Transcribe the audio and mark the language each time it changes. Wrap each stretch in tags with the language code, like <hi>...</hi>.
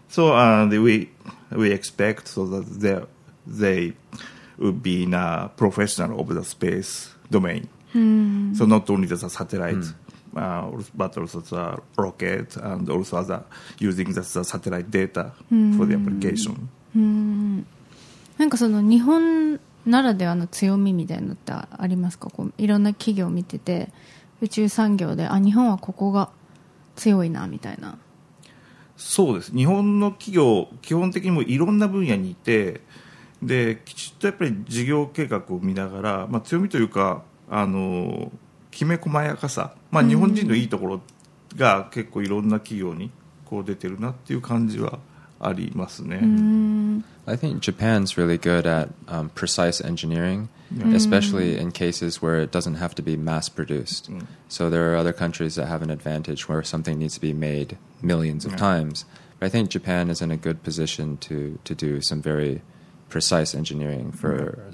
<en>so and we expect so that they would be a professional of the space domain、 mm-hmm. so not only the satellite、mm-hmm. But also the rocket and also the using the satellite data for the application、 mm-hmm.</en> <ja>なんかその日本ならではの強みみたいなのってありますか？こういろんな企業を見てて宇宙産業で、あ、日本はここが強いなみたいな。そうです。日本の企業基本的にもいろんな分野にいて、できちっとやっぱり事業計画を見ながら、まあ、強みというかあのきめ細やかさ、まあ、日本人のいいところが結構いろんな企業にこう出てるなっていう感じはありますね。</ja> <en>I think Japan's really good at、precise engineering、yeah. especially in cases where it doesn't have to be mass produced、mm. so there are other countries that have an advantage where something needs to be made millions of、yeah. times, but I think Japan is in a good position to do some very precise engineering for、yeah.</en>